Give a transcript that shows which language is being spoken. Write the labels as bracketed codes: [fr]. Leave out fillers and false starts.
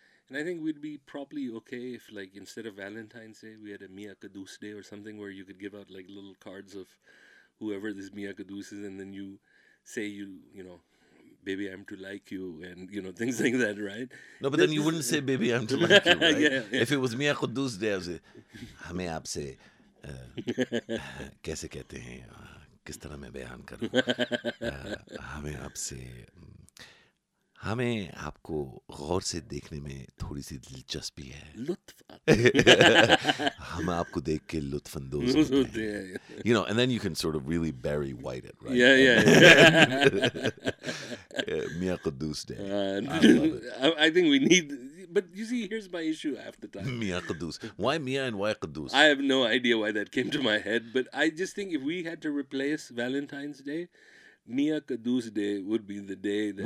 [en] And I think we'd be probably okay if, like, instead of Valentine's Day, we had a Mia Kadus Day or something where you could give out, like, little cards of whoever this Mia Kadus is, and then you say you know, baby, I'm to like you, and, things like that, right? No, but then you wouldn't say, baby, I'm to like you, right? Yeah. [ur] If it was Mia Kadus Day, I'd say, ہمیں آپ سے، کیسے کہتے ہیں، کس طرح میں بیان کروں، ہمیں آپ سے، ہمیں آپ کو غور سے دیکھنے میں تھوڑی سی دلچسپی ہے۔ Lutf. ہمیں آپ کو دیکھ کے لطف اندوز ہوتے ہیں۔ [en] You know, and then you can sort of really Barry White it, right? Yeah, yeah. Mia Kudus Day. I think we need, but you see, here's my issue half the time. Mia Kudus. Why Mia and why Kudus? I have no idea why that came to my head, but I just think if we had to replace Valentine's Day, Mia Kadus Day would be the day that.